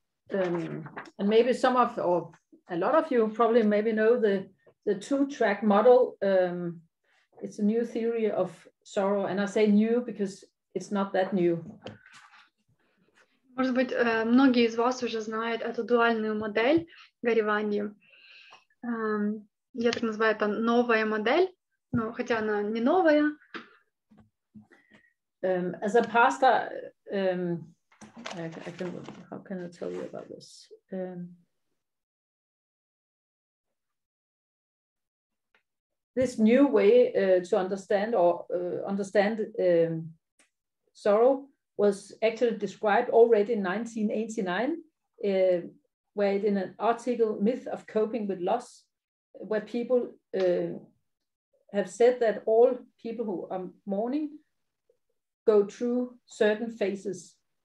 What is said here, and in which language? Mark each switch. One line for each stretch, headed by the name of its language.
English: And maybe some of, or a lot of you probably maybe know the two-track model. It's a new theory of sorrow, and I say new because it's not that new.
Russian: Может быть, многие из вас уже знают эту дуальную модель горевания. Я так называю это новая модель, но хотя она не новая.
English: As a pastor, how can I tell you about this? This new way to understand or understand sorrow was actually described already in 1989, where in an article, Myth of Coping with Loss, where people have said that all people who are mourning go through certain phases.